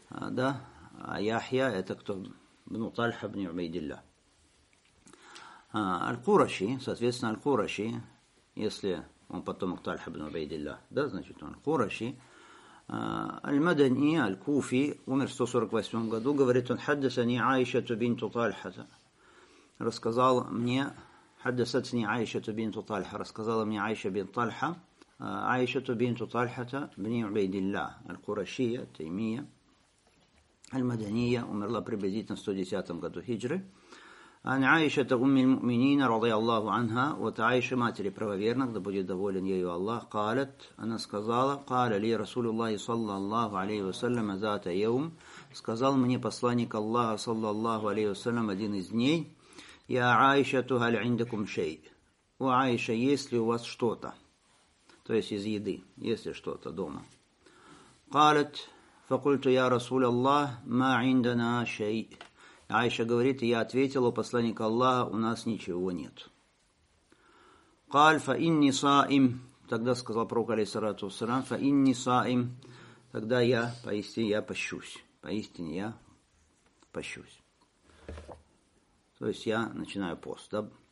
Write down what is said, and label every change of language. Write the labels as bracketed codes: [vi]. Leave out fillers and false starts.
[ru] да а يحيى это кто بن طلحة بن عبيد الله القرشي соответственно القرشي если он потомок طلحة بن عبيد الله да значит он القرشي Аль-Мадани, Аль-Куфи, умер в 148 году, говорит он, хаддасани Айшату бинту Тальхата. Рассказал мне, хаддасани Айшату бинту Тальха, рассказала мне Айша бин Тальха, Айшату бинту Тальхата, бни Убейдилля, Аль-Курашия, Таймия, Аль-Мадания, умерла приблизительно в 110 году хиджры. [ar] Ан Айшата уммил муминина, ради Аллаху анха, [ru] вот Айша матери правоверных, да будет доволен ею Аллах, [ar] قالت, [ru] она сказала, [ar] قال لي رسول الله صلى الله عليه وسلم ذات يوم, [ru] сказал мне посланник Аллаха صلى الله عليه وسلم один из дней, [ar] يا عائشة هل عندكم شيء? [ru] У Айша, есть ли у вас что-то? То есть из еды, есть ли что-то дома? [ar] قالت, فقلت يا رسول الله ما عندنا شيء. [ru] Айша говорит, и я ответил, о посланник Аллаха, у нас ничего нет. [ar] Каль, фа инни саим, [ru] тогда сказал пророк, алейсалату вассалям, [ar] фа инни саим, [ru] тогда я, поистине, я пощусь. Поистине, я пощусь. То есть, я начинаю пост, да?